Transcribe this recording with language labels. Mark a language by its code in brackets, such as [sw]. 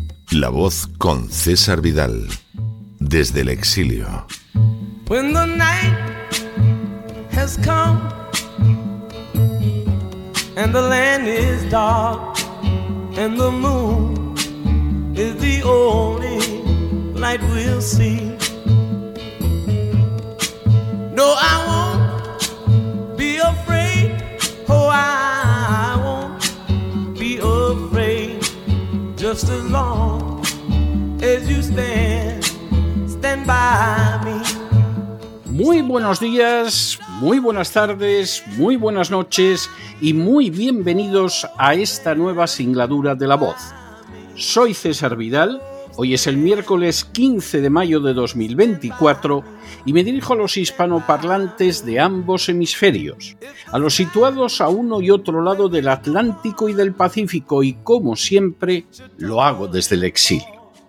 [es] La Voz con César Vidal, desde el exilio. [en] When the night has come and the land is dark and the moon is the only light we'll see. No, I won't be afraid. Oh, I won't be afraid. Just as long as you stand by me. [es] Muy buenos días, muy buenas tardes, muy buenas noches y muy bienvenidos a esta nueva singladura de La Voz. Soy César Vidal, hoy es el miércoles 15 de mayo de 2024 y me dirijo a los hispanoparlantes de ambos hemisferios, a los situados a uno y otro lado del Atlántico y del Pacífico y, como siempre, lo hago desde el exilio.